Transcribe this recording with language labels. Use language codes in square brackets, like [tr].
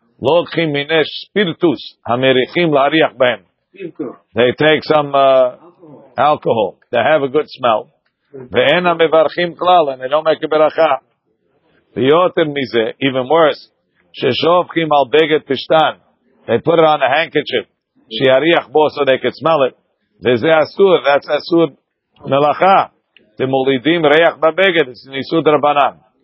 [he] לוקחים מנש ספירטוס המריחים להריח בהם. [en] They take some alcohol to have a good smell. [he] ואין המברכים כלל, אני לא מקבל ברכה. ויותר מזה, [en] even worse, [he] ששופכים על בגד פשטן, [en] they put it on a handkerchief, [he] שיריח בו [en] so they could smell it. [he] וזה אסור, that's אסור מלאכה. אתם מולידים ריח בבגד, זה ניסוד רבנן.